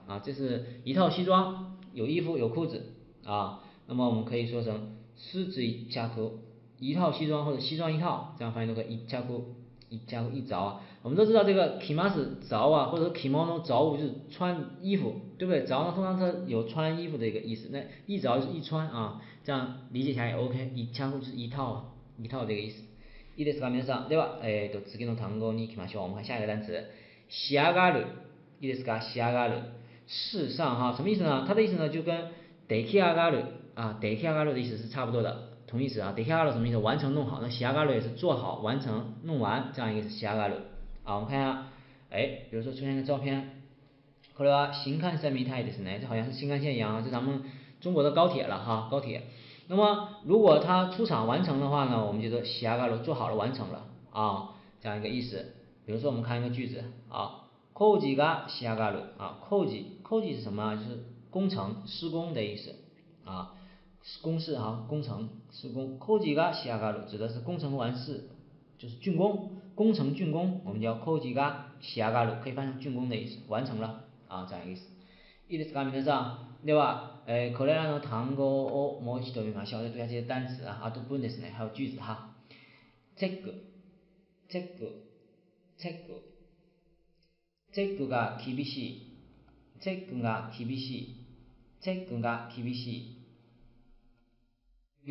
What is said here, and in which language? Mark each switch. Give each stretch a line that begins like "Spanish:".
Chinese: 啊，这是一套西装，有衣服，有裤子，啊，那么我们可以说成四つ一着，一套西装或者西装一套，这样翻译都可以。一着，一着一着啊。我们都知道这个着物是着啊，或者说着物着物就是穿衣服，对不对？着呢通常是有穿衣服的一个意思，那一着就是一穿啊，这样理解起来也 OK。一着就是一套，一套这个意思。
Japanese: いいですか皆さん。では、次の単語に行きましょう。
Chinese: 我们看下一个单词。
Japanese: 仕上がる，いいですか？
Chinese: 仕上がる，世上哈，什么意思呢？它的意思呢就跟出来上がる啊，出来上がる的意思是差不多的，同意思啊。出来上がる什么意思？完成弄好。那仕上がる也是做好、完成、弄完这样一个仕上がる。啊，我们看一下，哎，比如说出现个照片，后来新干线みたいですね，这好像是新干线一样啊，是咱们中国的高铁了哈，高铁。那么如果它出厂完成的话呢，我们就说仕上がる做好了、完成了啊，这样一个意思。比如说我们看一个句子啊，
Japanese: 工事が仕上がる
Chinese: 啊，工事是什么？就是工程、施工的意思啊，公事啊，工程、施工。
Japanese: 工事が仕上がる
Chinese: 指的是工程完事，就是竣工，工程竣工，我们叫工事が仕上がる，可以翻译成竣工的意思，完成了啊，这样意思。
Japanese: いいですか皆さん。では、これらの単語をもう一度見ましょう。
Chinese: 再读一下这些单词啊，
Japanese: あと文ですね，
Chinese: 还有句子哈。
Japanese: チェック、チェック。チェック、チェックが厳しい、チェックが厳しい、チェックが厳しい。